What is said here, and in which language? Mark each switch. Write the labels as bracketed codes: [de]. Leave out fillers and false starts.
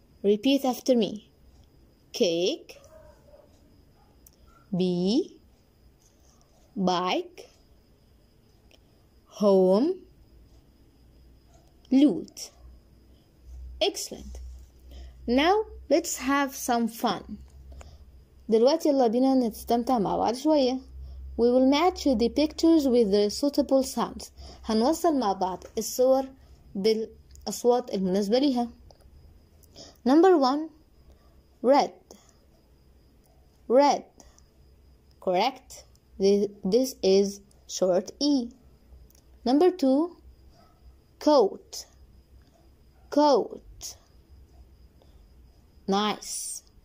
[en] Repeat after me. Cake, bee, bike, home, loot. Excellent. Now let's have some fun. [ar] دلوقتي يلا بينا نستمتع مع بعض شوية. [en] We will match the pictures with the suitable sounds. [ar] هنوصل مع بعض الصور بالأصوات المناسبة لها. [en] Number one, red. Red. Correct. This is short E. Number two, coat. Coat. Nice.